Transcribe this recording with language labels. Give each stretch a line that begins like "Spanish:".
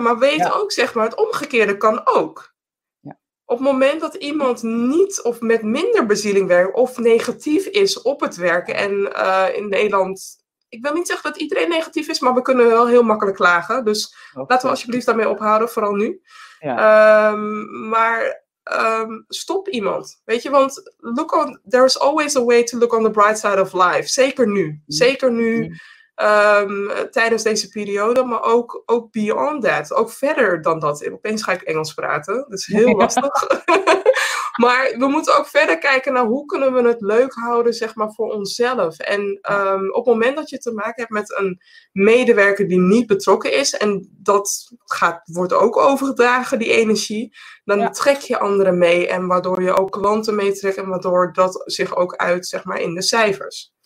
Dutch: Maar weet ook, zeg maar, het omgekeerde kan ook. Op het moment dat iemand niet of met minder bezieling werkt of negatief is op het werken. En in Nederland, ik wil niet zeggen dat iedereen negatief is, maar we kunnen wel heel makkelijk klagen. Dus laten we alsjeblieft daarmee ophouden, vooral nu. Ja. Maar stop iemand. Weet je, want
English: there is always a way to look on the bright side of life.
Dutch: Zeker nu. Mm. Zeker nu. Tijdens deze periode, maar ook
English: beyond that,
Dutch: ook verder dan dat. Opeens ga ik Engels praten, dat is heel lastig. Maar we moeten ook verder kijken naar hoe kunnen we het leuk houden, zeg maar, voor onszelf. En op het moment dat je te maken hebt met een medewerker die niet betrokken is, en dat wordt ook overgedragen, die energie, dan trek je anderen mee, en waardoor je ook klanten meetrekt, en waardoor dat zich ook uit, zeg maar, in de cijfers.